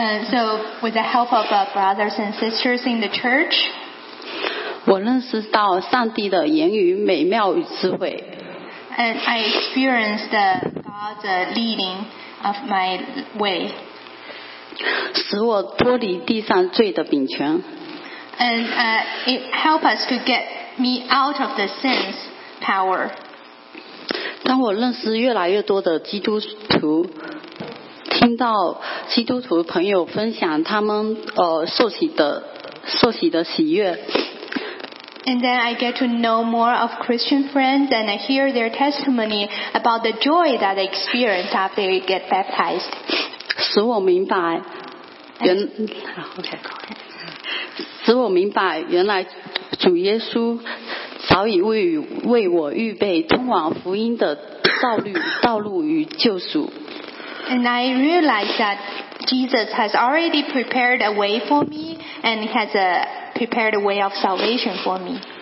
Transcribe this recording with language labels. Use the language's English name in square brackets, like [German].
[English] So with the help of brothers and sisters in the church, [Chinese] 我认识到上帝的言语美妙与智慧。 [English] And I experienced God's leading. Of my way, [Chinese] 使我脱离地上罪的柄权。 [English] And it help us to get me out of the sin's power. [Chinese] 当我认识越来越多的基督徒，听到基督徒朋友分享他们受洗的喜悦。 [English] And then I get to know more of Christian friends and I hear their testimony about the joy that they experience after they get baptized. [Chinese] 使我明白原 使我明白原来主耶稣早已 为我预备通往福音的道路与救赎。 [English] And I realize that Jesus has already prepared a way for me and has aprepared a way of salvation for me.